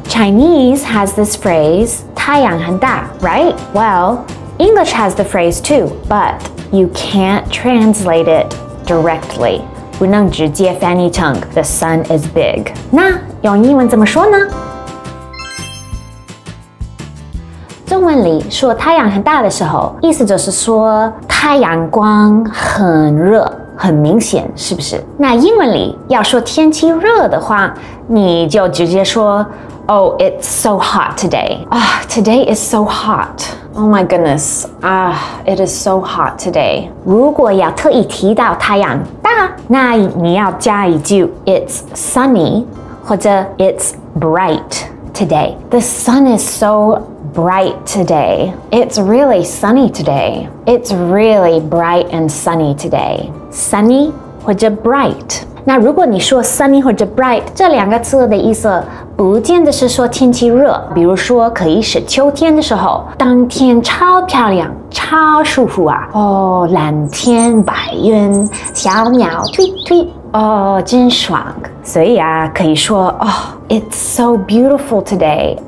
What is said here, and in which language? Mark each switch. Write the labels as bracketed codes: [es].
[en] Chinese has this phrase, [zh] 太阳很大 [en] right? Well, English has the phrase too, but you can't translate it directly. [zh] 不能直接翻译成 [en] the sun is big. [zh] 那用英文怎么说呢？中文里说太阳很大的时候，意思就是说太阳光很热。很明显是不是那英文里要说天气热的话你就直接说 [en] Oh, it's so hot today. Oh, today is so hot. Oh my goodness. Ah, it is so hot today. [zh] 如果要特意提到太阳大那你要加一句 [en] It's sunny [zh] 或者 [en] It's bright today. The sun is so bright today. It's really sunny today. It's really bright and sunny today. [zh] Sunny 或者 bright 那如果你说 sunny 或者 bright 这两个词的意思不见得是说天气热比如说可以是秋天的时候当天超漂亮超舒服啊哦蓝天白云小鸟推推哦真爽所以啊可以说哦 [en] It's so beautiful today.